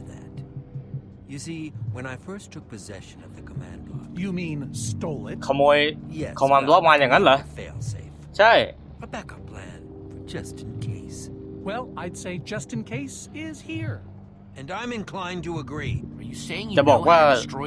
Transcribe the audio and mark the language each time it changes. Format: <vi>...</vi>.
<en>อ You see when I first took possession of the command block You mean stole it</en> <th>ขโมยคอมมานด์ล็อกมาอย่างนั้นเหรอใช่</th> <en>A backup plan for just in case Well I'd say just in case is here And I'm inclined to agree Are you saying you know how to destroy</en>